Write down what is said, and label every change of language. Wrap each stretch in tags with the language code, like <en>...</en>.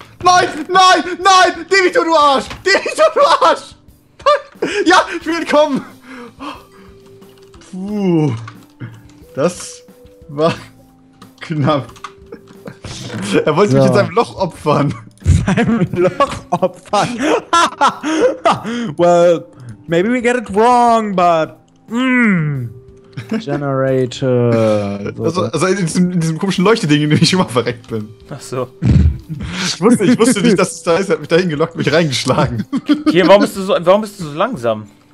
<de>Nein! Nein! Nein! Demito, du Arsch! Demito, du Arsch! Ja, ich will kommen! Puh. Das war knapp. Er wollte mich in seinem Loch opfern. Seinem Loch opfern?</de> <en>Well, maybe we get it wrong, but.</en> <de>Generator. Also in diesem komischen Leuchteding, in dem ich immer verreckt bin. Ach so. Ich wusste nicht, dass es da ist. Er hat mich dahin gelockt, mich reingeschlagen. Okay, warum bist du so langsam?</de>